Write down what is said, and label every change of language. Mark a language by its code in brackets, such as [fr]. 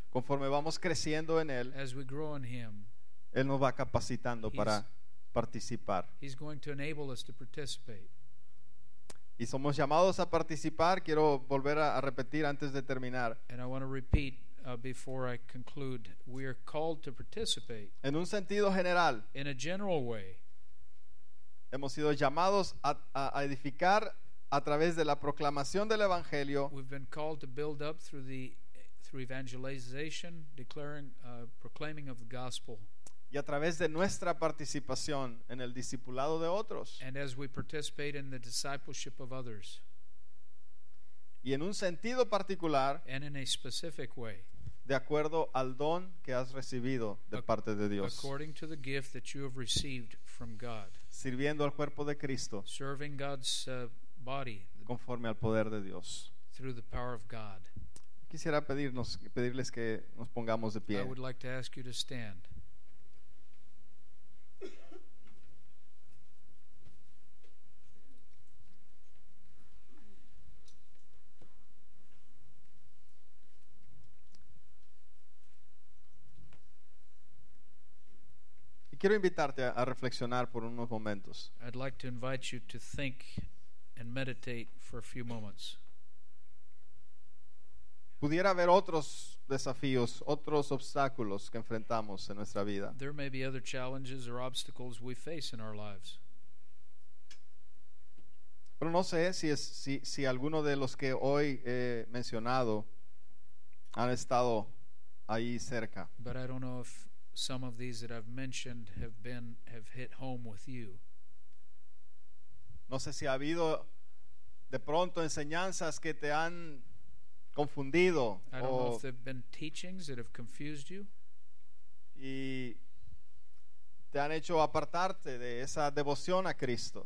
[es] conforme vamos creciendo en Él, [en] as we grow in him, [es] Él nos va capacitando para participar. [en] He's going to enable us to participate. [es] Y somos llamados a participar. Quiero volver a repetir antes de terminar. [en] And I want to repeat before I conclude. We are called to participate. [es] En un sentido general. [en] In a general way. [es] Hemos sido llamados a edificar a través de la proclamación del Evangelio. [en] We've been called to build up through evangelization, declaring, proclaiming of the gospel. [es] Y a través de nuestra participación en el discipulado de otros. [en] And as we participate in the discipleship of others. [es] Y en un sentido particular. [en] And in a specific way. [es] De acuerdo al don que has recibido de parte de Dios. [en] According to the gift that you have received from God. [es] Sirviendo al cuerpo de Cristo. [en] Serving God's body. [es] Conforme al poder de Dios. [en] Through the power of God. [es] Quisiera pedirles que nos pongamos de pie. [en] I would like to ask you to stand. [es] Quiero invitarte a reflexionar por unos momentos. [en] I'd like to invite you to think and meditate for a few moments. [es] Pudiera haber otros desafíos, otros obstáculos que enfrentamos en nuestra vida. [en] There may be other challenges or obstacles we face in our lives. [es] Pero no sé si alguno de los que hoy he mencionado han estado ahí cerca. [en] But I don't know if some of these that I've mentioned have hit home with you. [es] No sé si ha habido de pronto enseñanzas que te han confundido. [en] I don't know if there have been teachings that have confused you. [es] Y te han hecho apartarte de esa devoción a Cristo.